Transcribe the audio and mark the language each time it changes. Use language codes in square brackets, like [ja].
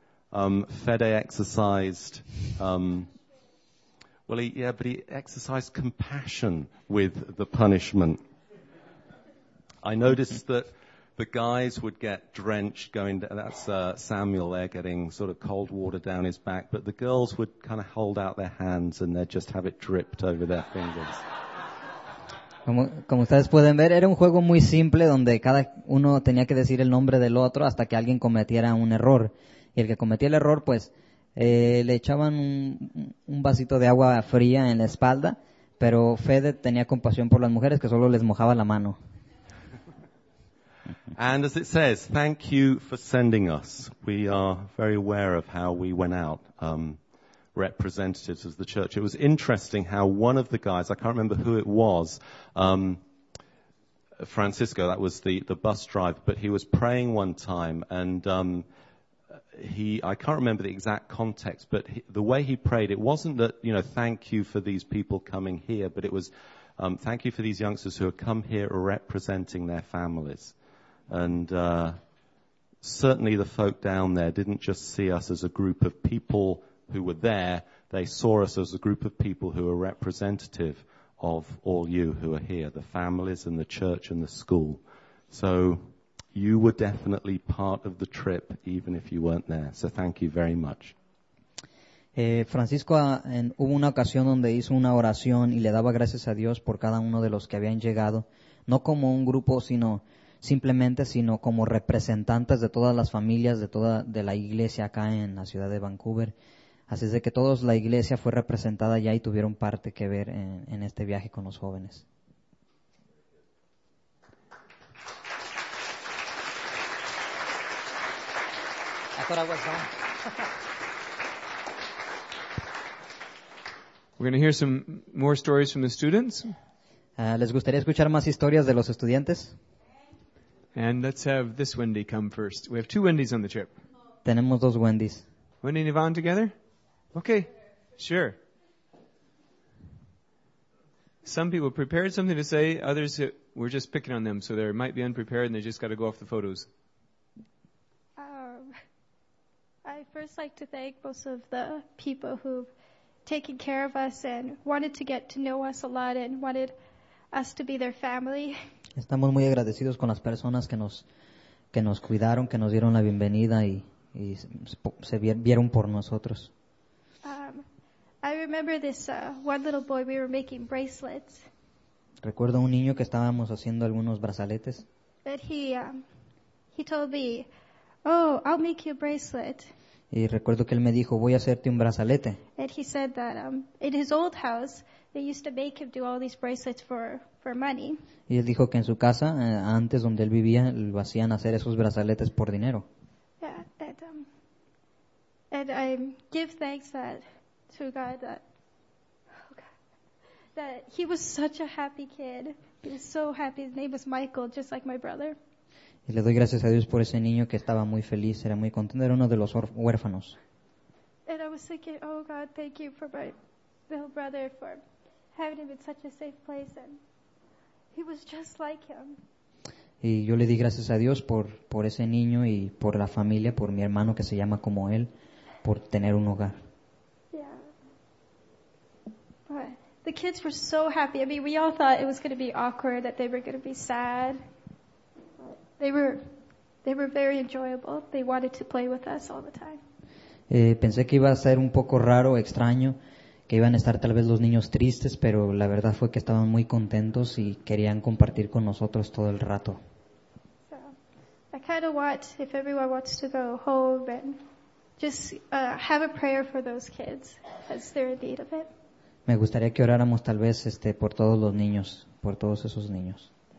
[en] Fede exercised, but he exercised compassion with the punishment. I noticed that the guys would get drenched going down. That's Samuel there getting sort of cold water down his back. But the girls would kind of hold out their hands and they'd just have it dripped over their fingers. [es] Como ustedes pueden ver, era un juego muy simple donde cada uno tenía que decir el nombre del otro hasta que alguien cometiera un error. Y el que cometía el error, pues, le echaban un vasito de agua fría en la espalda, pero Fede tenía compasión por las mujeres que solo les mojaba la mano. [en] And as it says, thank you for sending us. We are very aware of how we went out, representatives of the church. It was interesting how one of the guys, I can't remember who it was, Francisco, that was the bus driver, but he was praying one time, and I can't remember the exact context, but the way he prayed, it wasn't that, you know, thank you for these people coming here, but it was thank you for these youngsters who have come here representing their families. And certainly the folk down there didn't just see us as a group of people who were there, they saw us as a group of people who are representative of all you who are here, the families and the church and the school. So you were definitely part of the trip, even if you weren't there. So thank you very much. [es] Francisco, hubo una ocasión donde hizo una oración y le daba gracias a Dios por cada uno de los que habían llegado, no como un grupo, sino simplemente, sino como representantes de todas las familias de toda de la iglesia acá en la ciudad de Vancouver. Así es de que todos la iglesia fue representada ya y tuvieron parte que ver en este viaje con los jóvenes. [en] We're going to hear some more stories from the students. [es] ¿Les gustaría escuchar más historias de los estudiantes? [en] And let's have this Wendy come first. We have two Wendys on the trip. [es] Tenemos dos Wendys. [en] Wendy and Yvonne together? Okay, sure. Some people prepared something to say, others were just picking on them, so they might be unprepared and they just got to go off the photos. I first like to thank most of the people who've taken care of us and wanted to get to know us a lot and wanted us to be their family. [es] Estamos muy agradecidos con las personas que nos cuidaron, que nos dieron la bienvenida y se vieron por nosotros. [en] I remember this one little boy, we were making bracelets. [es] Recuerdo un niño que estábamos haciendo algunos brazaletes. [en] But he told me, oh, I'll make you a bracelet. [es] Y recuerdo que él me dijo, voy a hacerte un brazalete. [en] And he said that in his old house, they used to make him do all these bracelets for money. [es] Y él dijo que en su casa, antes donde él vivía, lo hacían hacer esos brazaletes por dinero. [en] Yeah, that, and I give thanks that to God that, oh God, that he was such a happy kid. He was so happy. His name was Michael, just like my brother. [es] Y le doy gracias a Dios por ese niño que estaba muy feliz, era muy contento, era uno de los huérfanos. [en] And I was thinking, oh God, thank you for my little brother for having him in such a safe place, and he was just like him. [es] Y yo le di gracias a Dios por ese niño y por la familia, por mi hermano que se llama como él, por tener un hogar. [en] Yeah. But the kids were so happy. I mean, we all thought it was going to be awkward, that they were going to be sad. They were very enjoyable. They wanted to play with us all the time. [es] Pensé que iba a ser un poco raro, extraño, que iban a estar tal vez los niños tristes, pero la verdad fue que estaban muy contentos y querían compartir con nosotros todo el rato. [en] So, I kind of want, if everyone wants to go home and just have a prayer for those kids, because they're in need of it. [es] Me gustaría que oráramos tal vez por todos los niños, por todos esos niños.